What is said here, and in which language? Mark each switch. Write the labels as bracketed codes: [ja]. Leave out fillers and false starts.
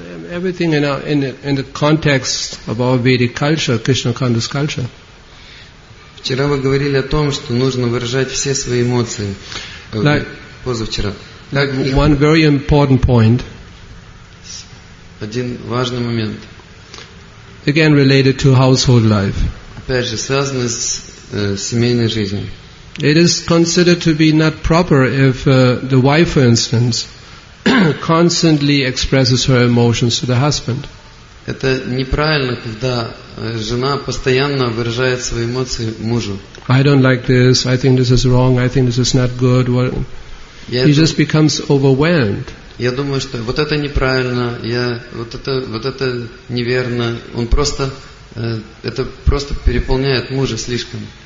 [en] Everything in our in the context of our Vedic culture, Krishna Kanda's culture. [ru] Вчера вы говорили о том, что нужно выражать все свои эмоции. Позавчера. [en] One very important point. [ru] Один важный момент. [en] Again related to household life. [ru] Опять же, связано с семейной жизнью. [en] It is considered to be not proper if the wife, for instance, constantly expresses her emotions to the husband. [ru] Это неправильно, когда жена постоянно выражает свои эмоции мужу. [en] I don't like this. I think this is wrong. I think this is not good. Well, he just becomes overwhelmed. [ru] Я думаю, что вот это неправильно. Я вот это неверно. Он просто это просто переполняет мужа слишком.